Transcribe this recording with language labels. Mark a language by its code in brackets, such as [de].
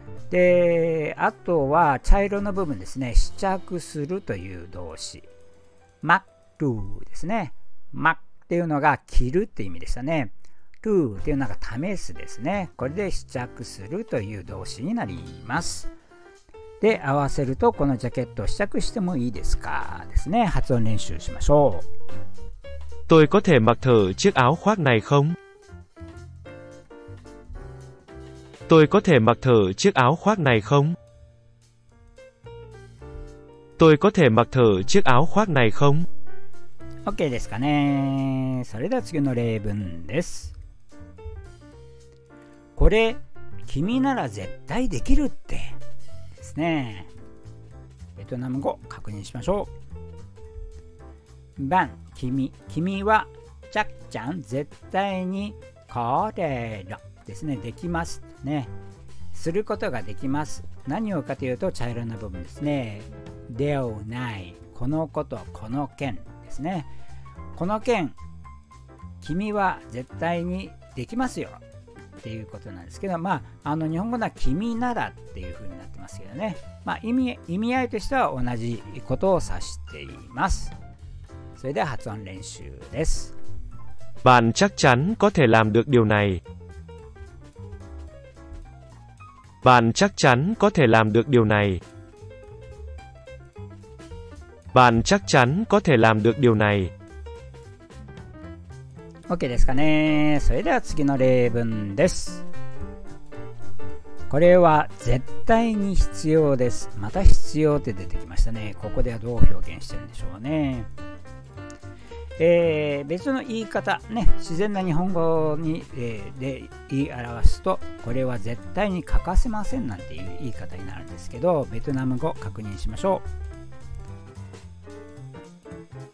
[ja] で、あとは茶色の部分ですね、試着するという動詞マトゥですね。マっていうのが着るって意味でしたね。トゥっていうのが試すですね。これで試着するという動詞になります。で、合わせるとこのジャケットを試着してもいいですかですね。発音練習しましょう。 [vi] Tôi có thể mặc thử chiếc áo khoác này không? Tôi có thể mặc thử chiếc áo khoác này không? Tôi có thể mặc thử chiếc áo khoác này không? [ja] OK ですかね。それでは次の例文です。これ、君なら絶対できるって。ね、ベトナム語確認しましょう。バン、君はチャッちゃん絶対にこれらですね、できますね、することができます。何をかというと茶色の部分ですね。ではない、このこと、この件ですね。この件君は絶対にできますよっていうことなんですけど、まあ、日本語のは君ならっていう風になってますけどね、まあ、意味合いとしては同じことを指しています。それでは発音練習です。 [vi] Bạn chắc chắn có thể làm được điều này. Bạn chắc chắn có thể làm được điều này. Bạn chắc chắn có thể làm được điều này. [ja] OK ですかね。それでは次の例文です。これは絶対に必要です。また必要って出てきましたね。ここではどう表現してるんでしょうね。別の言い方、ね、自然な日本語に、で言い表すと、これは絶対に欠かせませんなんていう言い方になるんですけど、ベトナム語確認しましょう。